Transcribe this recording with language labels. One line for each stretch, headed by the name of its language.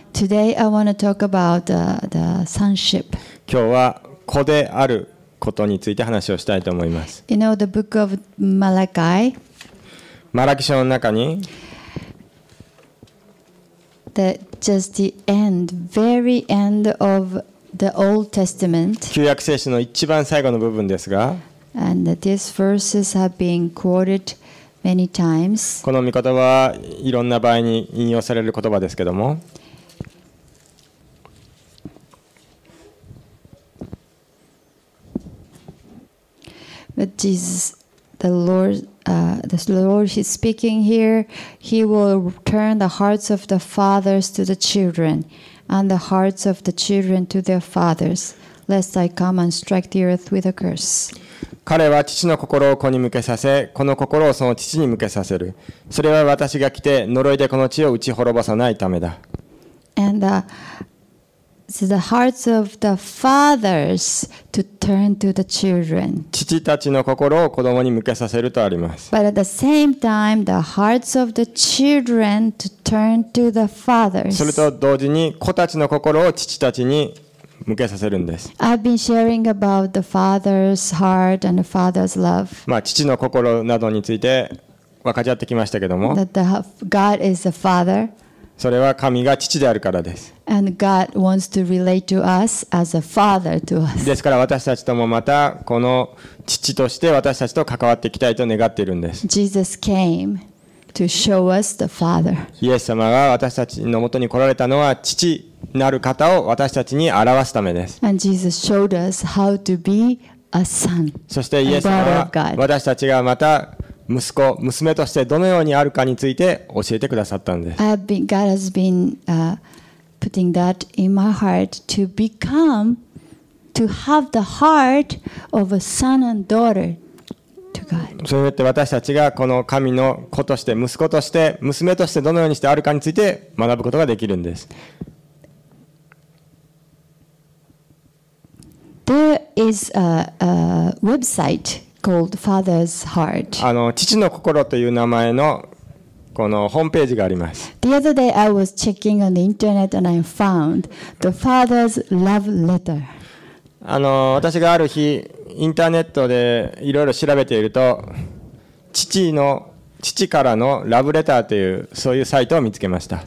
English: Today I want to talk about the sonship.
Japanese: 今日は子であることについて話をしたいと思います。
English: You know the book of Malachi?
Japanese: マラキ書の中に
English: the, just the end, very end of the Old Testament.
Japanese: 旧約聖書の一番最後の部分ですが、
English: And these verses have been quoted many times.
Japanese: この御言葉はいろんな場合に引用される言葉ですけども、
English: But Jesus, the Lord is speaking here. He will turn the hearts of the fathers to the children, and the hearts of the children to their fathers, lest I come and strike the earth with a curse.
Japanese: 彼は父の心を子に向けさせ、子の心をその父に向けさせる。それは私が来て呪いでこの地を打ち滅ぼさないためだ。
English: And the hearts of the fathers to turn to the children.
Japanese: 父たちの心を子供に向けさせるとあります。
English: But at the same time, the hearts of the children to turn to the fathers.
Japanese: それと同時に子たちの心を父たちに向けさせるんです。
English: I've been sharing about the father's heart and the father's love.
Japanese: まあ父の心などについて分かち合ってきましたけども。
English: That God is the father.
Japanese: それは神が父であるからです。
English: And God wants to relate to us as a father to us.
Japanese: ですから私たちともまたこの父として私たちと関わっていきたいと願っているんです。
English: Jesus came to show us the father.
Japanese: イエス様が私たちのもとに来られたのは父。なる方を私たちに表すためです。
English: And Jesus showed us how to be a son.
Japanese: そしてイエス様は私たちがまた息子娘としてどのようにあるかについて教えてくださったんです。
English: God has been putting that in my heart to become to have the heart of a son and daughter to God.
Japanese: そうやって私たちがこの神の子として息子として娘としてどのようにしてあるかについて学ぶことができるんです。
English: There is a website called Father's Heart.
Japanese: あの父の心という名前のこのホームページがあります。
English: The other day I was checking on the internet and I found the Father's Love Letter.
Japanese: あの私がある日インターネットでいろいろ調べていると父からのラブレターというそういうサイトを見つけました。